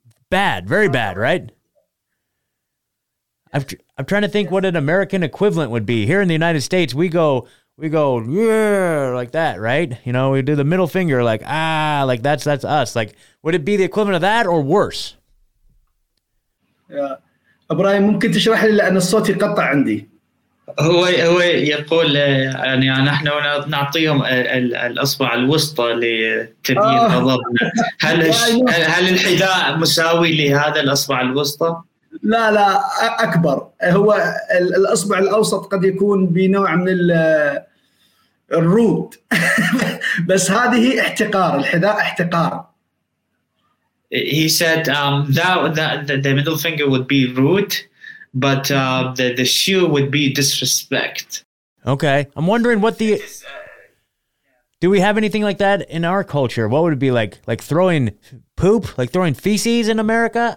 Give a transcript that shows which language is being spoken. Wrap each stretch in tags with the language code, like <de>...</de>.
<en>Bad, very bad, right? I'm trying to think what an American equivalent would be. Here in the United States, we go yeah, like that, right? You know, we do the middle finger, like ah, like that's us. Like, would it be the equivalent of that or worse?</en> <ar>Yeah, Ibrahim, ممكن تشرح لي لأن الصوت يقطع عندي. هو يقول يعني نحن نعطيهم الأصبع الوسطى لتبيين غضبنا. هل الحذاء مساوي لهذا الأصبع الوسطى؟ لا لا أكبر. هو الأصبع الأوسط قد يكون بنوع من الرود بس هذه احتقار. الحذاء احتقار.</ar> <en>He said the middle finger would be rude, but the shoe would be disrespect. Okay, I'm wondering what the do we have anything like that in our culture? What would it be like throwing poop, like throwing feces in America?</en>